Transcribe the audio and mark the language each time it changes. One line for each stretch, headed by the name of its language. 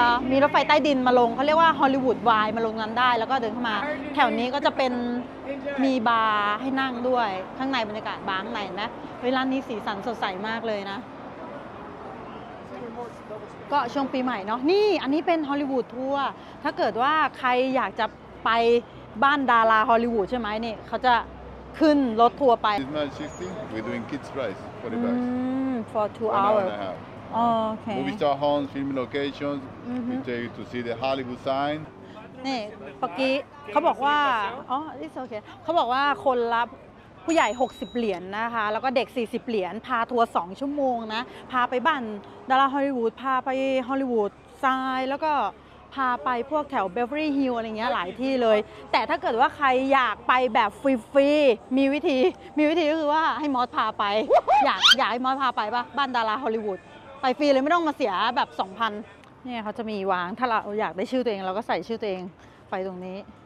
Thai: มีรถไฟใต้ดินมาลงเขาเรียกว่าฮอลลีวูดไวน์มาลงนั้นได้แล้วก็เดินเข้ามาแถวนี้ก็จะเป็นมีบาร์ให้นั่งด้วยข้างในบรรยากาศบาร์ข้างในนะร้านนี้สีสันสดใสมากเลยนะก็ช่วงปีใหม่เนาะนี่อันนี้เป็นฮอลลีวูดทัวร์ถ้าเกิดว่าใครอยากจะไปบ้านดาราฮอลลีวูดใช่ไหมนี่เขาจะขึ้นรถทัวร์ไป
English: It's not 60 we're doing kids rides 40 bucks for 2 hours okay movie star homes film locations we take you to see the Hollywood sign
Thai: นี่เมื่อกี้เขาบอกว่าอ๋อ
English: it's okay
Thai: เขาบอกว่าคนละ ผู้ใหญ่60เหรียญนะคะแล้วก็เด็ก40เหรียญพาทัวร์2ชั่วโมงนะพาไปบ้านดาราฮอลลีวูดพาไปฮอลลีวูดทรายแล้วก็พาไปพวกแถวเบเวอร์ลี่ฮิลอะไรเงี้ยหลายที่เลยแต่ถ้าเกิดว่าใครอยากไปแบบฟรีๆมีวิธีก็คือว่าให้มอสพาไปอยากให้มอสพาไปปะบ้านดาราฮอลลีวูดไปฟรีเลยไม่ต้องมาเสียแบบ 2,000 เนี่ยเขาจะมีวางถ้าเราอยากได้ชื่อตัวเองเราก็ใส่ชื่อตัวเองไปตรงนี้